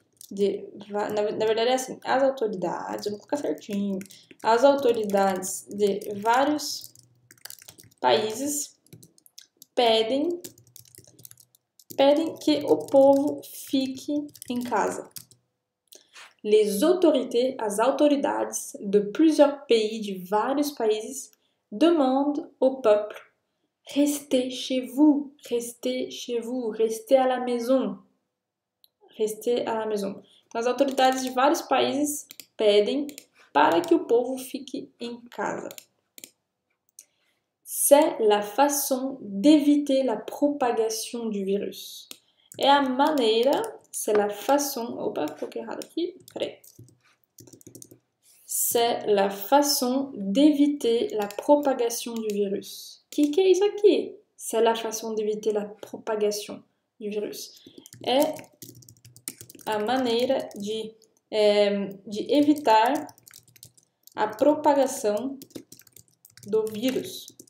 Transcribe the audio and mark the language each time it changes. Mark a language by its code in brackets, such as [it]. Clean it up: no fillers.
[pt] Na verdade é assim, as autoridades, vou colocar certinho, as autoridades de vários países pedem que o povo fique em casa. [fr] Les autorités, [pt] as autoridades [fr] de plusieurs pays, [pt] de vários países, [fr] demandent au peuple rester chez vous, rester à la maison. [pt] Então, as autoridades de vários países pedem para que o povo fique em casa. [fr] C'est la façon d'éviter la propagation du virus. [pt] É a maneira, [fr] c'est la façon... [pt] Opa, coloquei errado aqui, peraí. [fr] C'est la façon d'éviter la propagation du virus. [pt] Que é isso aqui? [fr] C'est la façon d'éviter la propagation du virus. [pt] É a maneira de evitar a propagação do vírus.